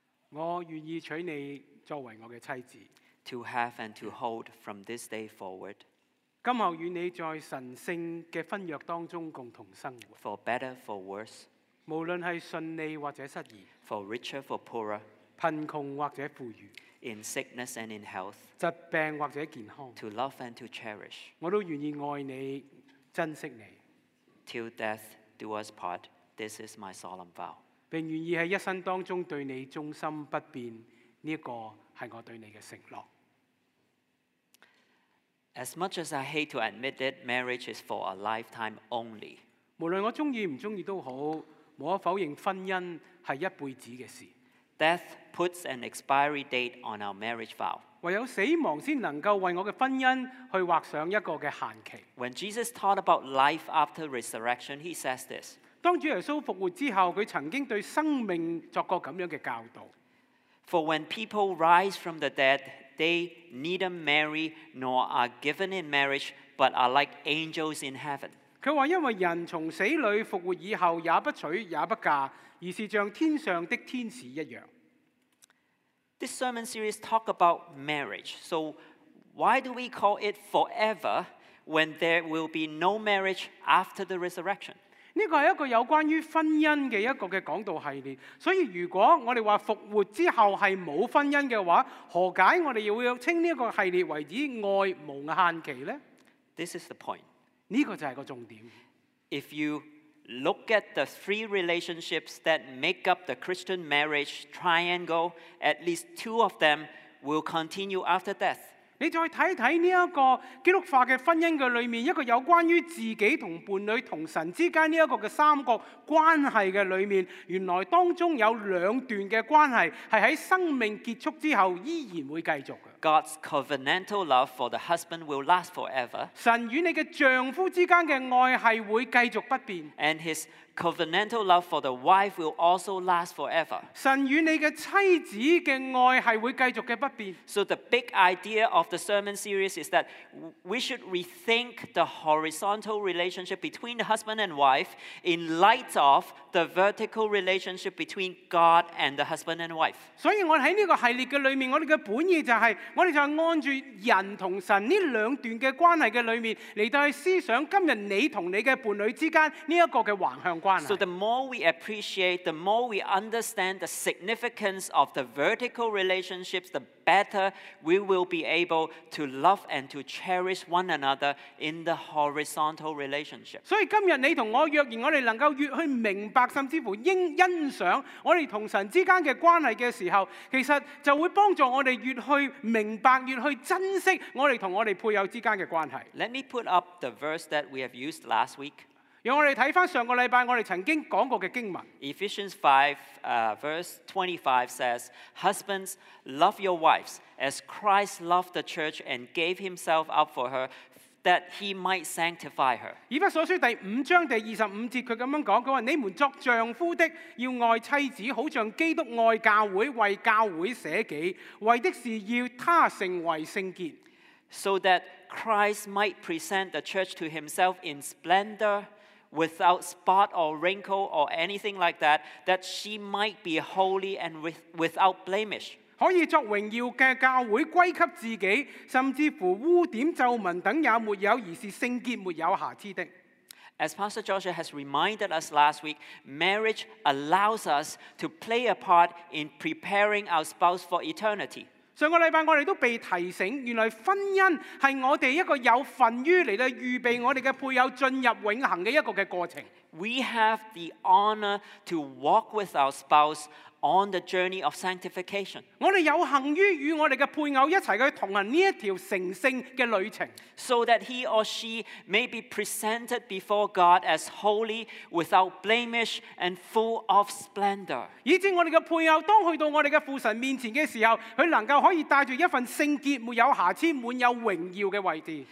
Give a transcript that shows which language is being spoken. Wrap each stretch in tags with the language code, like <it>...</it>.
<zh>我愿意娶你作为我的妻子。</zh> <en>To have and to hold from this day forward.</en> <zh>今后与你在神圣的婚约当中共同生活。</zh> <en>For better, for worse.</en> <zh>无论是顺利或者失意。</zh> <en>For richer, for poorer.</en> <zh>贫穷或者富裕。</zh> <en>In sickness and in health.</en> <zh>疾病或者健康。</zh> <en>To love and to cherish.</en> <zh>我都愿意爱你，珍惜你。</zh> <en>Till death do us part, this is my solemn vow.</en> <zh>并愿意在一生当中对你忠心不变，这个是我对你的承诺。</zh> <en>As much as I hate to admit it, marriage is for a lifetime only.</en> <zh>无论我喜欢不喜欢都好，无可否认婚姻是一辈子的事。</zh> <en>Death puts an expiry date on our marriage vow.</en> <zh>唯有死亡才能够为我的婚姻去画上一个的限期。</zh> <en>When Jesus taught about life after resurrection, he says this.</en> <zh>当主耶稣复活之后，他曾经对生命作过这样的教导。</zh> <en>For when people rise from the dead, they neither marry nor are given in marriage, but are like angels in heaven.</en> <zh>他说因为人从死里复活以后，也不娶也不嫁，而是像天上的天使一样。</zh> <en>This sermon series talk about marriage. So why do we call it forever when there will be no marriage after the resurrection?</en> <zh>这个是一个有关于婚姻的一个的讲道系列。所以如果我们说复活之后是没有婚姻的话，何解我们要称这个系列为之爱无限期呢？</zh> <en>This is the point.</en> <zh>这个就是个重点。</zh> <en>If you look at the three relationships that make up the Christian marriage triangle, at least two of them will continue after death.</en> <zh>你再看看这个基督化的婚姻的里面，一个有关于自己和伴侣和神之间这个的三角关系的里面，原来当中有两段的关系是在生命结束之后依然会继续的。</zh> <en>God's covenantal love for the husband will last forever.</en> <zh>神与你的丈夫之间的爱是会继续不变。</zh> <en>And his covenantal love for the wife will also last forever.</en> <zh>神与你的妻子的爱是会继续的不变。</zh> <en>So the big idea of the sermon series is that we should rethink the horizontal relationship between the husband and wife in light of the vertical relationship between God and the husband and wife.</en> <zh>所以我在这个系列的里面，我们的本意就是，我们就按着人和神这两段的关系的里面，来到去思想今天你和你的伴侣之间这个的横向关系。</zh> <en>So the more we appreciate, the more we understand the significance of the vertical relationships, the better we will be able to love and to cherish one another in the horizontal relationship.</en> <zh>所以今天你和我，若然我们能够越去明白，甚至乎欣赏我们同神之间的关系的时候，其实就会帮助我们越去明白，越去珍惜我们同我们配偶之间的关系。</zh> <en>Let me put up the verse that we have used last week.</en> <zh>让我们看回上个礼拜我们曾经讲过的经文。</zh> <en>Ephesians 5, verse 25 says, Husbands, love your wives as Christ loved the church and gave himself up for her,that he might sanctify her.</en> <zh>以弗所书第五章第二十五节，他这样讲，他说，你们作丈夫的要爱妻子，好像基督爱教会，为教会舍己，为的是要他成为圣洁。</zh> <en>So that Christ might present the church to himself in splendor, without spot or wrinkle or anything like that, that she might be holy and without blemish.</en> <zh>可以作荣耀的教会归给自己，甚至乎污点皱纹等也没有，而是圣洁没有瑕疵的。</zh> <en>As Pastor Joshua has reminded us last week, marriage allows us to play a part in preparing our spouse for eternity.</en> <zh>上个礼拜我们都被提醒，原来婚姻是我们一个有份于来预备我们的配偶进入永恒的一个的过程。</zh> <en>We have the honor to walk with our spouseOn the journey of sanctification.</en> <zh>我们有幸于与我们的配偶一起去同行这条成圣的旅程。</zh> <en>So that he or she may be presented before God as holy, without blemish, and full of splendor.</en> <zh>以致我们的配偶当去到我们的父神面前的时候，他能够可以带着一份圣洁、没有瑕疵、满有荣耀的位置。</zh>